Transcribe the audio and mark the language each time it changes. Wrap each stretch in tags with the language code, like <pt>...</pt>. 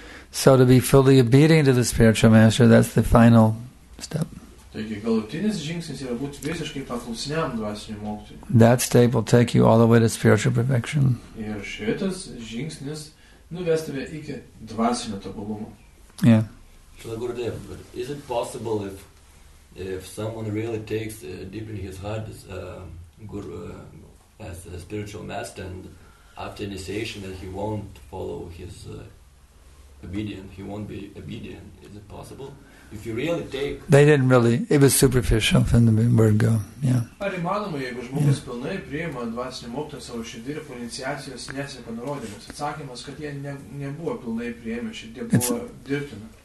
<en>So to be fully obedient to the spiritual master, that's the final step.</en> <lt>Taigi galutinis žingsnis yra būti visiškai paklusniam dvasiniu mokytoju.</lt> <en>That step will take you all the way to spiritual perfection.</en> <lt>Ir šitas žingsnis nuves tave iki dvasinio tobulumo.</lt> <en>Gurudev, but is it possible if someone really takes deep in his heart as as a spiritual master, and after initiation that he won't follow his obedient, he won't be obedient? Is it possible? If you really take... They didn't really, it was superficial from the word go, yeah.</en> <lt>Ar įmanoma, jeigu žmogus pilnai priima dvasinį moktą savo širdį ir po iniciacijos neseka nurodymus? Atsakymas, kad jie nebuvo pilnai priėmę širdį, buvo dirbtina.</lt>